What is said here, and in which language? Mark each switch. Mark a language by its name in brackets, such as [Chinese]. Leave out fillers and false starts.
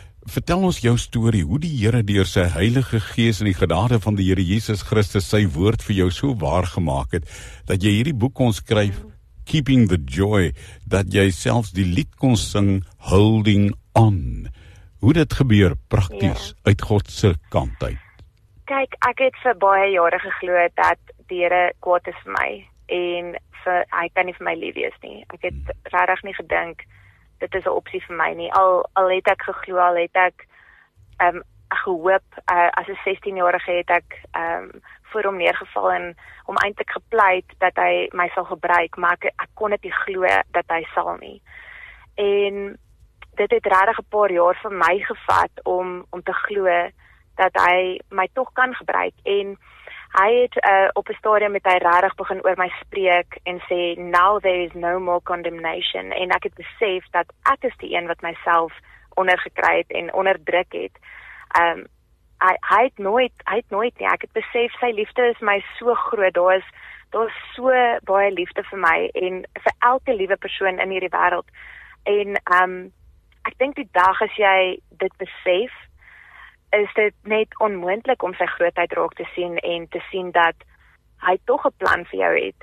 [Afrikaans] Vertel ons jou storie, hoe die Here deur sy Heilige Gees en die genade van die Here Jesus Christus sy woord vir jou so waar gemaak het, dat jy hierdie boek kon skryf, Keeping the Joy, dat jy selfs die lied kon sing, Holding On. Hoe dit gebeur, prakties, uit God se kant uit. Kyk, ek het vir baie jare geglo dat die Here kwaad is vir my, en hy kan nie vir my lief wees nie. Ek het regtig nie gedink, dit is 'n opsie vir my nie. Al het ek geglo, al het ek gehoop, as 'n 16-jarige het ek voor hom neergeval en hom eintlik gepleit dat hy my sal gebruik, maar ek kon dit nie glo dat hy sal nie. En dit het regtig 'n paar jaar vir my gevat om te glo dat hy my tog kan gebruik. En hy het op 'n stadium met hy regtig begin oor my spreek en sê, [English] now there is no more condemnation. [Afrikaans] En ek het besef dat ek is die een wat myself ondergekry het en onderdruk het. Hy het nooit nie. Ek het besef sy liefde is my so groot. Daar is so baie liefde vir my en vir elke liewe persoon in hierdie wêreld. En ek dink die dag as jy dit besef, is dit net onmoontlik om sy grootheid raak te sien en te sien dat hy tog 'n plan vir jou het.